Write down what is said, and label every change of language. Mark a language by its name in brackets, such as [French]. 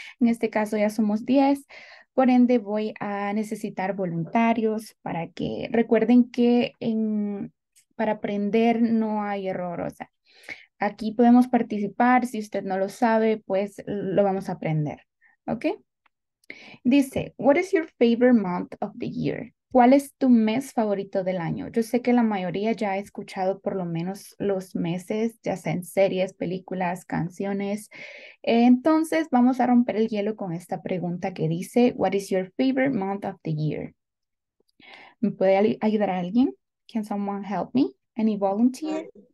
[Spanish] En este caso ya somos 10, por ende voy a necesitar voluntarios para que recuerden que para aprender no hay error. O sea, aquí podemos participar. Si usted no lo sabe, pues lo vamos a aprender. ¿Ok? [English] Dice, what is your favorite month of the year? [Spanish] ¿Cuál es tu mes favorito del año? Yo sé que la mayoría ya ha escuchado por lo menos los meses, ya sea en series, películas, canciones. Entonces, vamos a romper el hielo con esta pregunta que dice, [English] what is your favorite month of the year? [Spanish] ¿Me puede ayudar a alguien? [English] Can someone help me? Any volunteer?